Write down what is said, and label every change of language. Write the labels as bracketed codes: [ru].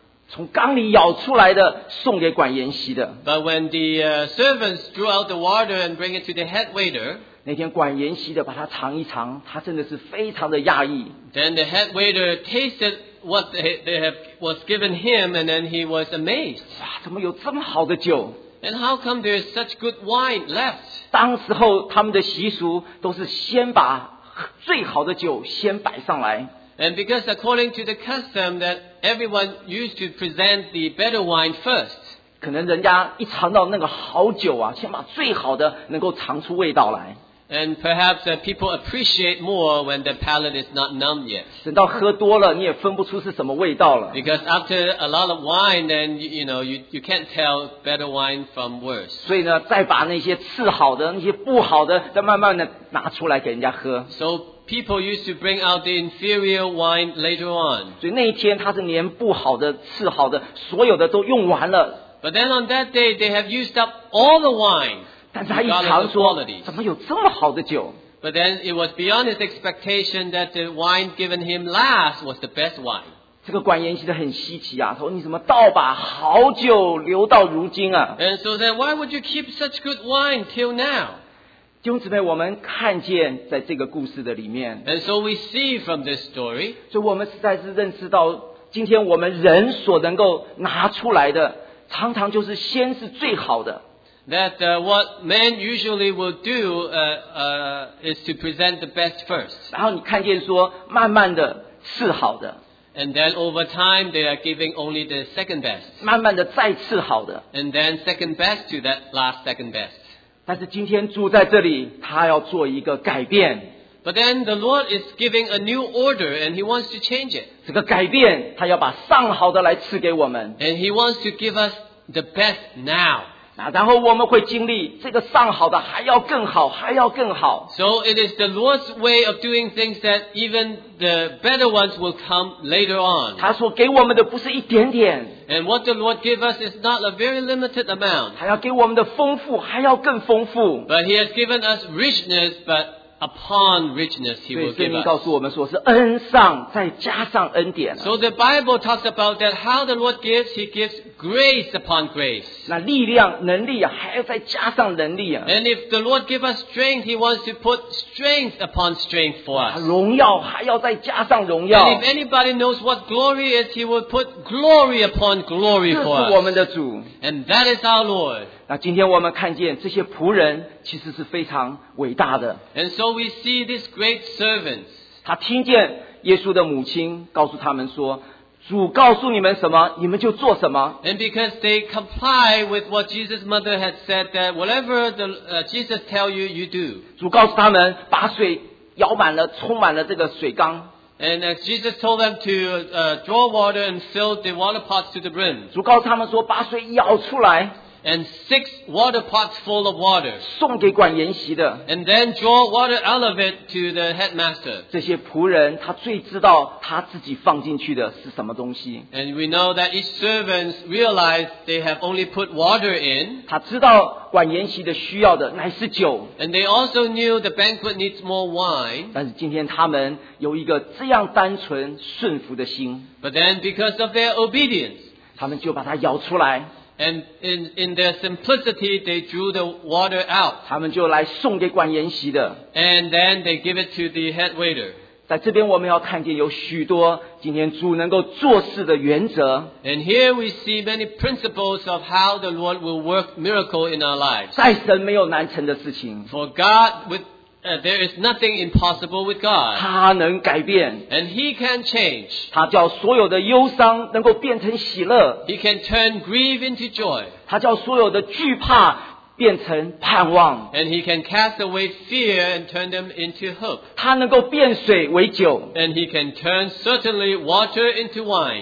[zh] 从缸里舀出来的送给管筵席的。 [en] But when the servants drew out the water and bring it to the head waiter, [zh] 那天管筵席的把它尝一尝，他真的是非常的讶异。 [en] Then the head waiter tasted what they have was given him, and then he was amazed. [zh] 哇，怎么有这么好的酒？ [en] And how come there is such good wine left? [zh] 当时候他们的习俗都是先把最好的酒先摆上来。 [en] And because according to the custom that everyone used to present the better wine first. [zh] 可能人家一尝到那个好酒啊，先把最好的能够尝出味道来。 [en] And perhaps that people appreciate more when their palate is not numb yet. [zh] 等到喝多了，你也分不出是什么味道了。 [en] Because after a lot of wine, then you know you can't tell better wine from worse. [zh] 所以呢，再把那些次好的、那些不好的，再慢慢的拿出来给人家喝。 [en] So people used to bring out the inferior wine later on. [zh] 所以那一天，他是连不好的、次好的，所有的都用完了。 [en] But then on that day, they have used up all the wine. [zh] 但是他一尝说怎么有这么好的酒 [en] But then it was beyond his expectation that the wine given him last was the best wine. [zh] 这个管筵席的很稀奇啊说你怎么倒把好酒留到如今啊 [en] And so then why would you keep such good wine till now? [zh] 弟兄姊妹我们看见在这个故事的里面 [en] And so we see from this story. [zh] 所以我们实在是认识到今天我们人所能够拿出来的常常就是先是最好的 [en] That what men usually will do is to present the best first. [zh] 然后你看见说慢慢的次好的 [en] And then over time they are giving only the second best. [zh] 慢慢的再次好的 [en] And then second best to that last second best. [zh] 但是今天住在这里他要做一个改变 [en] But then the Lord is giving a new order and he wants to change it. [zh] 这个改变他要把上好的来赐给我们 [en] And he wants to give us the best now. [zh] 然后我们会经历这个上好的还要更好还要更好 [en] So it is the Lord's way of doing things that even the better ones will come later on [zh] 他所给我们的不是一点点 [en] And what the Lord gives us is not a very limited amount [zh] 他要给我们的丰富还要更丰富 [en] But he has given us richness but upon richness he will give us [zh] 所以圣经告诉我们说是恩上再加上恩典 [en] So the Bible talks about that how the Lord gives he gives grace upon grace [zh] 那力量能力啊还要再加上能力啊 [en] And if the Lord gives us strength he wants to put strength upon strength for us [zh] 荣耀还要再加上荣耀 [en] And if anybody knows what glory is he will put glory upon glory for us [zh] 这是我们的主 [en] And that is our Lord [zh] 那今天我们看见这些仆人其实是非常伟大的 [en] And so we see this great servant [zh] 他听见耶稣的母亲告诉他们说主告诉你们什么你们就做什么 [en] And because they comply with what Jesus' mother had said that whatever the, Jesus tell you, you do [zh] 主告诉他们把水舀满了充满了这个水缸 [en] And as Jesus told them to draw water and fill the water pots to the brim [zh] 主告诉他们说把水舀出来 [en] And 6 water pots full of water [zh] 送给管筵席的 [en] And then draw water out of it to the headmaster [zh] 这些仆人他最知道他自己放进去的是什么东西 [en] And we know that each servant realized they have only put water in [zh] 他知道管筵席的需要的乃是酒 [en] And they also knew the banquet needs more wine [zh] 但是今天他们有一个这样单纯顺服的心 [en] But then because of their obedience [zh] 他们就把它舀出来 [en] And in their simplicity they drew the water out [zh] 他们就来送给管筵席的 [en] And then they give it to the head waiter [zh] 在这边我们要看见有许多今天主能够做事的原则 [en] And here we see many principles of how the Lord will work miracle in our lives [zh] 在神没有难成的事情 [en] For God withThere is nothing impossible with God. [zh] 他能改变。 [en] And he can change. [zh] 他叫所有的忧伤能够变成喜乐。 [en] He can turn grief into joy. [zh] 他叫所有的惧怕变成盼望。 [en] And he can cast away fear and turn them into hope. [zh] 他能够变水为酒。 [en] And he can turn certainly water into wine.